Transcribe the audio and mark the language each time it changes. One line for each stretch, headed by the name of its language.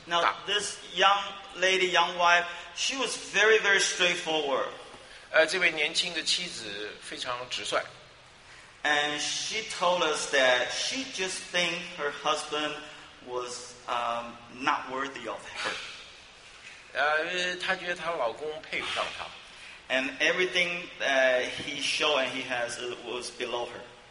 English: Now this young lady, young wife, she was very, very straightforward.
Chinese: 这位年轻的妻子非常直率。
English: And she told us that she just think her husband was not worthy of her.
Chinese: 她觉得她老公配不上她。
English: And everything that he showed and he has was below her.